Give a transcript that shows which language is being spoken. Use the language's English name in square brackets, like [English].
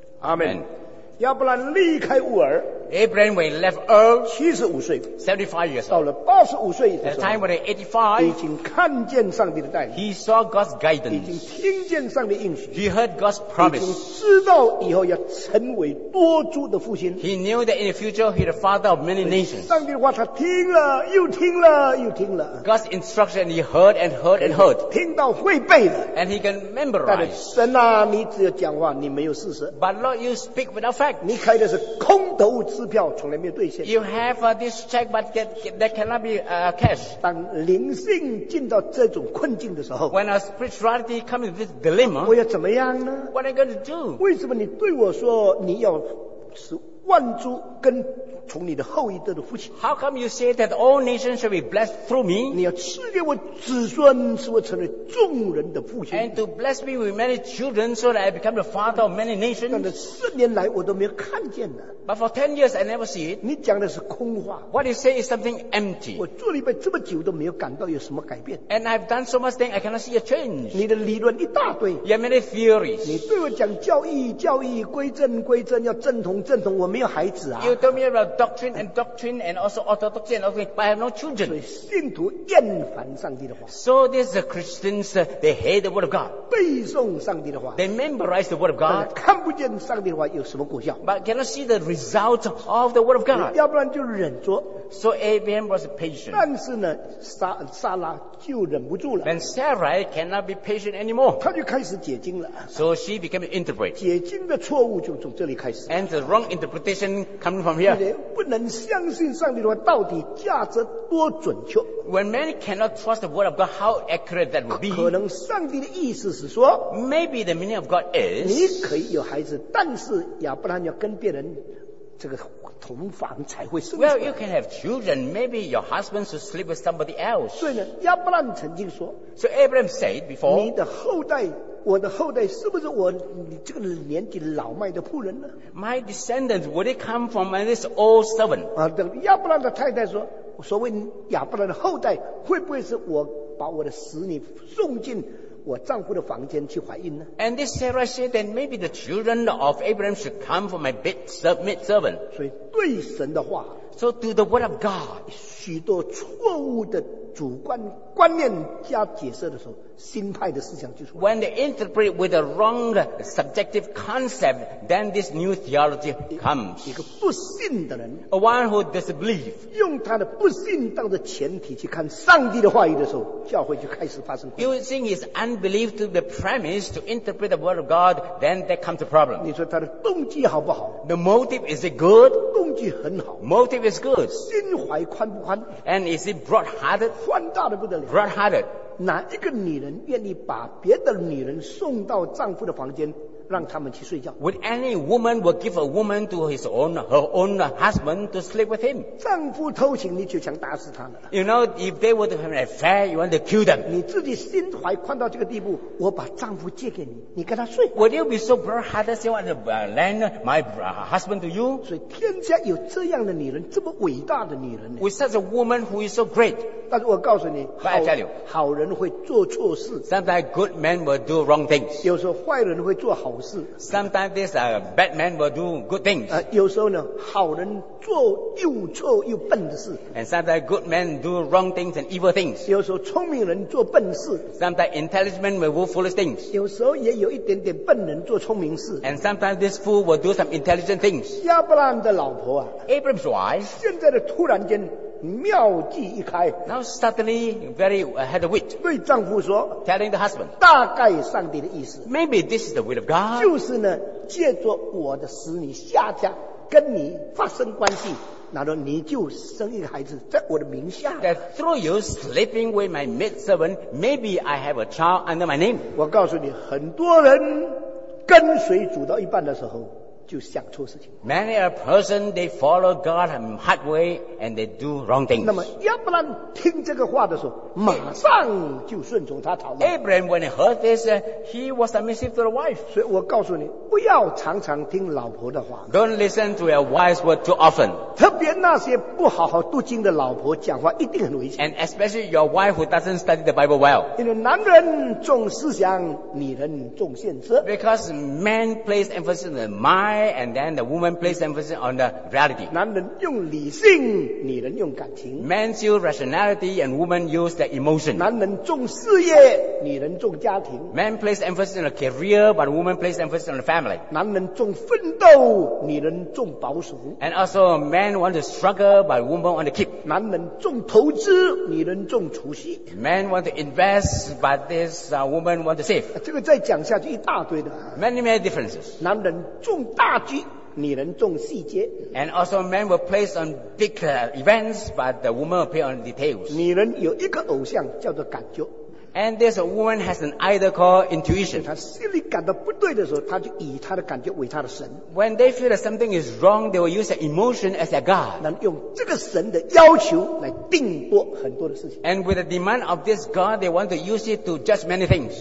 [Chinese] Amen. 亚伯兰离开乌尔。 [English] Abraham when left Ur, [Chinese] 75岁 [English] ,75 years old. [Chinese] 到了85岁的时候 [English] ,at a time when he 85, [Chinese] 已经看见上帝的带领 [English] ,he saw God's guidance, [Chinese] 已经听见上帝应许 [English] ,he heard God's promise, [Chinese] 已经知道以后要成为多族的父亲 [English] ,he knew that in the future he's the father of many nations. [Chinese] 上帝的话他听了又听了又听了 [English] ,God's instruction he heard and heard and heard, [Chinese] 听到会背了 [English] ,and he can memorize. [Chinese] 神啊，你只有讲话，你没有事实 [English] ,but Lord, you speak without fact. [Chinese] 你开的是空的物质支票从来没有兑现。 [English] You have this check, but that cannot be cash. [Chinese] 当灵性进到这种困境的时候 [English] ，When a spirituality comes to this dilemma, [Chinese] 我要怎么样呢 [English] ？What am I going to do? [Chinese] 为什么你对我说你要使万族跟从你的后裔得的福气 [English] ？How come you say that all nations shall be blessed through me? [Chinese] 你要赐给我子孙，使我成为众人的父亲。 [English] And to bless me with many children, so that I become the father of many nations. [Chinese] 但是四年来我都没有看见呢。 [English] But for 10 years, I never see it. [Chinese] 你讲的是空话。 [English] What you say is something empty. [Chinese] 我做礼拜这么久都没有感到有什么改变。 [English] And I've done so much thing, I cannot see a change. [Chinese] 你的理论一大堆。 [English] You have many theories. [Chinese] 你对我讲教义，教义归正归正，要正统正统，我没有孩子啊。 [English] You told me about doctrine and doctrine and also orthodoxy and orthodoxy, but I have no children. [Chinese] 所以信徒厌烦上帝的话。 [English] So these Christians, they hate the word of God. [Chinese] 背诵上帝的话。 [English] They memorize the word of God. [Chinese] 看不见上帝的话有什么果效。 [English] But cannot see the result of the word of God. [Chinese] 要不然就忍着。 [English] So Abraham was patient. [Chinese] 但是呢，撒拉就忍不住了。 [English] And Sarah cannot be patient anymore. [Chinese] 她就开始解经了。 [English] So she became an interpreter. [Chinese] 解经的错误就从这里开始。 [English] And the wrong interpretation coming from here. [Chinese] 不能相信上帝的话到底价值多准确。 [English] When man cannot trust the word of God, how accurate that would be? [Chinese] 可能上帝的意思是说 [English] ，Maybe the meaning of God is. [Chinese] 你可以有孩子，但是亚伯兰要跟别人这个同房才会生存。 [English] Well, you can have children. Maybe your husband should sleep with somebody else. [Chinese] 所以呢，亚伯兰曾经说。 [English] So Abraham said before. [Chinese] 你的后代，我的后代，是不是我这个年纪老迈的仆人呢 [English] ？My descendants would it come from this old servant? [Chinese] 啊，对，亚伯兰的太太说，所谓亚伯兰的后代，会不会是我把我的使女送进？我丈夫的房间去怀孕呢 [English] ？And this Sarah said that maybe the children of Abraham should come for my maid servant. [Chinese] 所以对神的话 [English] ，So to the word of God， [Chinese] 许多错误的主观观念加解释的时候，心态的思想就是 [English] When they interpret with a wrong subjective concept, then this new theology comes. [Chinese] 一个不信的人 [English] ，A one who disbelieve， [Chinese] 用他的不信当作前提去看上帝的话语的时候，教会就开始发生。 [English] Using his unbelief to the premise to interpret the word of God, then there comes a problem. [Chinese] 你说他的动机好不好 [English] ？The motive is it good？ [Chinese] 动机很好。 [English] Motive is good。 [Chinese] 心怀宽不宽 [English] ？And is it broad-hearted？ [Chinese] 宽大的不得了。 [English] Broad-hearted。 [Chinese] 哪一个女人愿意把别的女人送到丈夫的房间让他们去睡觉 [English] Would any woman will give a woman to his own, her own husband to sleep with him? [Chinese] 丈夫偷情你就想打死他们了 [English] You know, if they were to have an affair, you want to kill them. [Chinese] 你自己心怀宽到这个地步我把丈夫借给你你跟他睡 [English] Would you be so broad-hearted say, I want to lend my husband to you? [Chinese] 所以天下有这样的女人这么伟大的女人 [English] With such a woman who is so great. [Chinese] 但是我告诉你 [English] But I tell you, [Chinese] 好人会做错事 [English] Sometimes good men will do wrong things. [Chinese] 有时候坏人会做好 [English] Sometimes this bad man will do good things. [Chinese] 有时候呢，好人做又错又笨的事。 [English] And sometimes good men do wrong things and evil things. [Chinese] 有时候聪明人做笨事。 [English] Sometimes intelligent men will do foolish things. [Chinese] 有时候也有一点点笨人做聪明事。 [English] And sometimes this fool will do some intelligent things. [Chinese] 亚伯兰的老婆啊 [English] ，Abraham's wife. [Chinese] 现在的突然间妙计一开。 [English] Now suddenly very had a wit. [Chinese] 对丈夫说 [English] ，telling the husband. [Chinese] 大概上帝的意思。 [English] Maybe this is the will of God. [Chinese] 就是呢，借着我的使女夏甲跟你发生关系，然后你就生一个孩子在我的名下。 [English] That through you sleeping with my maidservant, maybe I have a child under my name. [Chinese] 我告诉你，很多人跟随主到一半的时候就想错事情。 [English] Many a person they follow God in hard way and they do wrong things. [Chinese] 那么亚伯兰听这个话的时候，马上就顺从他讨论。 [English] Abraham when he heard this, he was submissive to the wife. [Chinese] 所以我告诉你，不要常常听老婆的话。 [English] Don't listen to your wife's word too often. [Chinese] 特别那些不好好读经的老婆讲话一定很危险。 [English] And especially your wife who doesn't study the Bible well. [Chinese] 因为男人重思想，女人重现实。 [English] Because men place emphasis on the mind. And then the woman places emphasis on the reality. [Chinese] 男人用理性，女人用感情。 [English] Men use rationality and women use the emotion. [Chinese] 男人重事业，女人重家庭。 [English] Men place emphasis on the career, but women place emphasis on the family. [Chinese] 男人重奋斗，女人重保守。 [English] And also, men want to struggle, but women want to keep. [Chinese] 男人重投资，女人重储蓄。 [English] Men want to invest, but this woman want to save. [Chinese] 这个再讲下去一大堆的。 [English] Many many differences. [Chinese] 男人重大局，女人重细节。 [English] And also, men will place on big events, but the woman will pay on details. [Chinese] 女人有一个偶像叫做感觉。 [English] And this woman has an idol called intuition. [Chinese] 她心里感到不对的时候，她就以她的感觉为她的神。 [English] When they feel that something is wrong, they will use their emotion as their god. [Chinese] 能用这个神的要求来定夺很多的事情。 [English] And with the demand of this god, they want to use it to judge many things.